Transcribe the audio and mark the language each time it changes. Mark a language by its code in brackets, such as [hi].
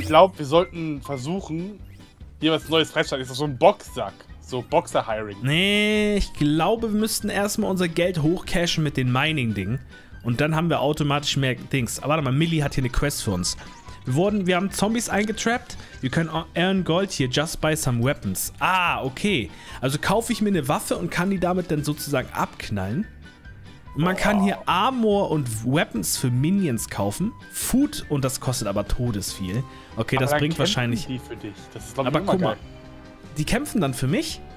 [de] Ich glaube, wir sollten versuchen, hier was Neues freizuschalten. Ist das so ein Boxsack? So Boxer-Hiring. Nee, ich glaube, wir müssten erstmal unser Geld hochcashen mit den Mining-Dingen. Und dann haben wir automatisch mehr Dings. Aber warte mal, Millie hat hier eine Quest für uns. Wir haben Zombies eingetrappt. [en] You can earn gold here, just buy some weapons. Ah, okay. [de] Also kaufe ich mir eine Waffe und kann die damit dann sozusagen abknallen. Und man kann hier Armor und Weapons für Minions kaufen. Food, und das kostet aber todesviel. Okay, aber das bringt wahrscheinlich... Die für dich. Das ist, aber guck mal, die kämpfen dann für mich?